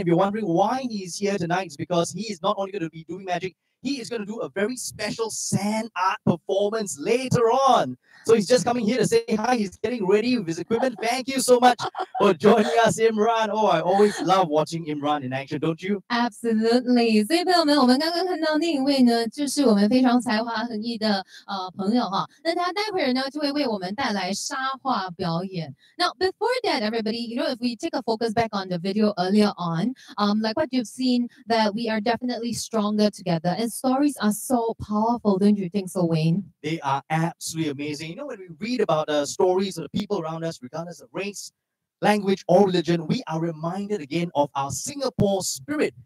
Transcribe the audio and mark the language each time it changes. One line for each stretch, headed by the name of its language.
English: If you're wondering why he's here tonight, it's because he is not only going to be doing magic, he is going to do a very special sand art performance later on. So he's just coming here to say hi. He's getting ready with his equipment. Thank you so much for joining us, Imran. Oh, I always love watching Imran in action, don't you? Absolutely.
Chinese: So, 朋友们,刚刚看到那一位呢,就是我们非常才华横溢的朋友。那他待会儿呢,就会为我们带来沙画表演.
English: Now, before that, everybody, you know, if we take a focus back on the video earlier on, like what you've seen, that we are definitely stronger together. And stories are so powerful, don't you think so, Wayne? They are absolutely amazing. You know, when we read about the stories of the people around us, regardless of race, language, or religion, we are reminded again of our Singapore spirit.